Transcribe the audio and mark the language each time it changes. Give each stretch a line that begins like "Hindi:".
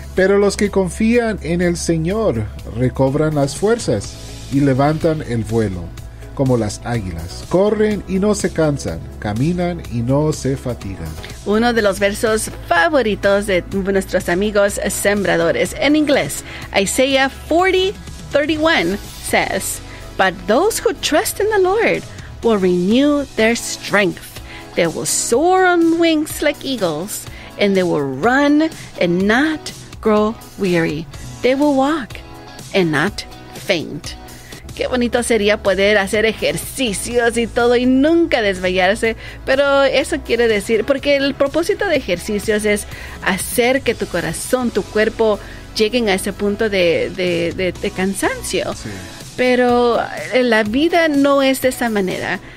Spanish: pero los que confían en el Señor recobran las fuerzas y levantan el vuelo, como las águilas. Corren y no se cansan, caminan y no se fatigan. Uno de los versos favoritos de nuestros amigos sembradores. En inglés,
English: Isaiah 40:31 says, but those who trust in the Lord will renew their strength. They will soar on wings like eagles, and they will run and not grow weary. They will walk and not faint.
Spanish: Qué bonito sería poder hacer ejercicios y todo y nunca desmayarse. Pero eso quiere decir, porque el propósito de ejercicios es hacer que tu corazón, tu cuerpo lleguen a ese punto de cansancio. Sí. Pero la vida no es de esa manera.